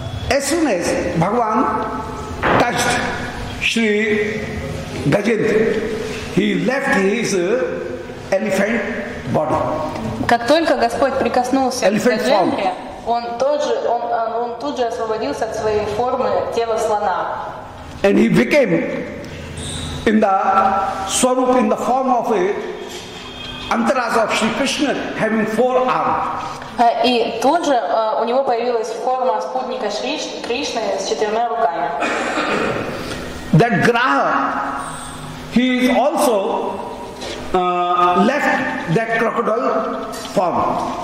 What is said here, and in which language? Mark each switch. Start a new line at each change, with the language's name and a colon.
English: As soon as Bhagavan touched Shri Gajendra, he left his elephant body.
Russian: Как только Господь прикоснулся к Гаджендре, он тут же освободился от своей формы тела слона.
English: And he became in the swarup, in the form of a antaraja of Shri Krishna, having four arms.
Russian: И тут же у него появилась форма спутника Кришны с четырьмя руками.
English: That Graha, he is also left that crocodile form.